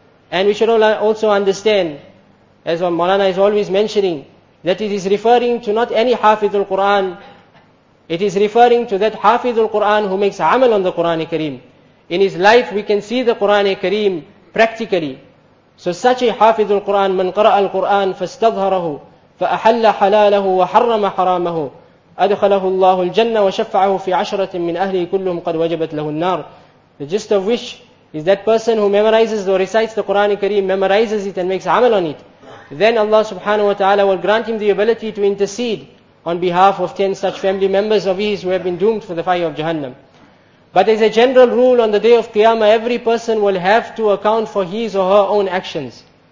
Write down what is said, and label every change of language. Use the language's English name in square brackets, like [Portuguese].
[English] And we should also understand, as Maulana is always mentioning, that it is referring to not any Hafiz al-Quran. It is referring to that Hafiz al-Quran who makes amal on the Quran al-Kareem. In his life we can see the Quran al-Kareem practically. So such a Hafiz al-Quran, [Arabic] من قرأ القرآن فاستظهره فأحل حلاله وحرم حرامه أدخله الله الجنة وشفعه في عشرة من أهله كلهم قد وجبت له النار. [English] The gist of which is that person who memorizes or recites the Quran al-Kareem, memorizes it and makes amal on it, then Allah subhanahu wa ta'ala will grant him the ability to intercede on behalf of 10 such family members of his who have been doomed for the fire of Jahannam. But as a general rule, on the day of Qiyamah, every person will have to account for his or her own actions.